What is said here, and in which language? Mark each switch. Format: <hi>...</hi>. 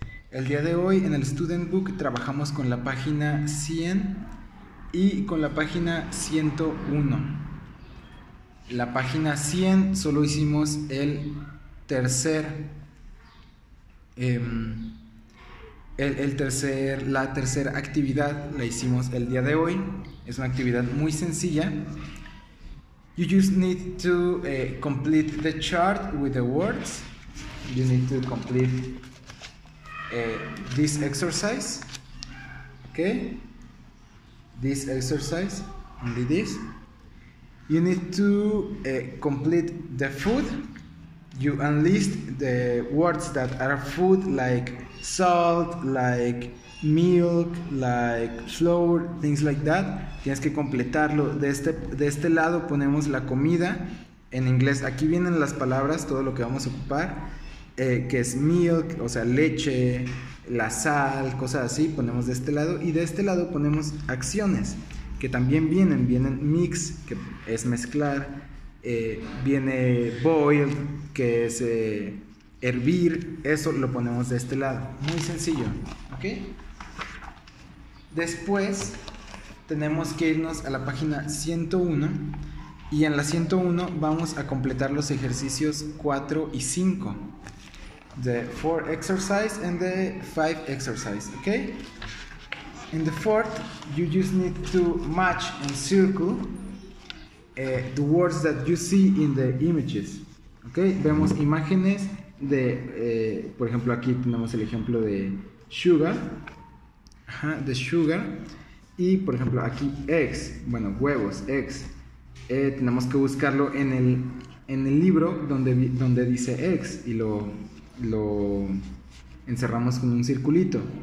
<es>El día de hoy en el Student Book trabajamos con la página 100 y con la página 101. La página 100 solo hicimos la tercera actividad la hicimos el día de hoy. Es una actividad muy sencilla.</es> <en>You just need to complete the chart with the words. You need to complete this exercise. Okay? This exercise, only this. You need to complete the food. You unlist the words that are food, like salt, like milk, like flour, things like that.</en> <es>Tienes que completarlo. De este lado ponemos la comida en inglés. Aquí vienen las palabras, todo lo que vamos a ocupar, que es milk, o sea, leche, la sal, cosas así. Ponemos de este lado y de este lado ponemos acciones. Que también vienen mix, que es mezclar, viene boil, que es hervir, eso lo ponemos de este lado, muy sencillo, ¿ok? Después tenemos que irnos a la página 101 y en la 101 vamos a completar los ejercicios 4 y 5,</es> <en>the 4 exercise and the 5 exercise,</en> <es>¿ok?</es> <en>In the fourth, you just need to match and circle the words that you see in the images. Okay?</en> <es>Vemos imágenes de, por ejemplo, aquí tenemos el ejemplo de sugar. De sugar. Y, por ejemplo, aquí eggs. Bueno, huevos, eggs. Tenemos que buscarlo en el libro donde dice eggs y lo encerramos con un circulito.</es>